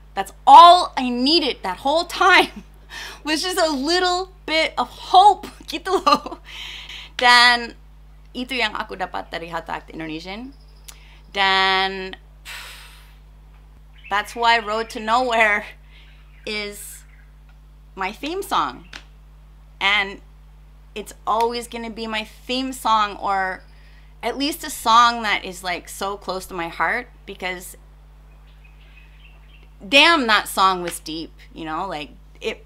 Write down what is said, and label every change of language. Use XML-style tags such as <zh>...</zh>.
<en>That's all I needed that whole time, was just a little bit of hope, gitu loh.</en> <id>Dan itu yang aku dapat dari How to Act Indonesian.</id> <en>Dan that's why Road to Nowhere is my theme song. And it's always gonna be my theme song, or at least a song that is like so close to my heart, because damn, that song was deep, you know, like it.</en>